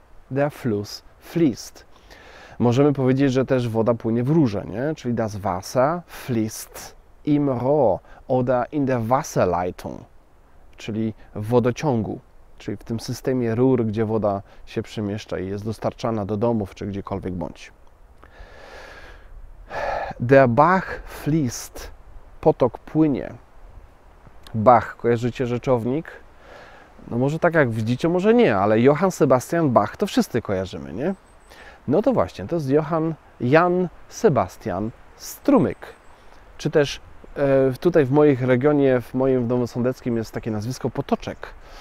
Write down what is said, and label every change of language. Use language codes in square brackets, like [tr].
[de] Der Fluss fließt. [pl] Możemy powiedzieć, że też woda płynie w rurze, nie? Czyli [de] das Wasser fließt im Rohr oder in der Wasserleitung, [pl] czyli w wodociągu, czyli w tym systemie rur, gdzie woda się przemieszcza i jest dostarczana do domów czy gdziekolwiek bądź. [de] Der Bach fließt, [pl] potok płynie. Bach, kojarzycie rzeczownik? No może tak jak widzicie, może nie, ale Johann Sebastian Bach to wszyscy kojarzymy, nie? No to właśnie, to jest Johann Jan Sebastian Strumyk, czy też tutaj w moim regionie, w moim domu sądeckim jest takie nazwisko Potoczek.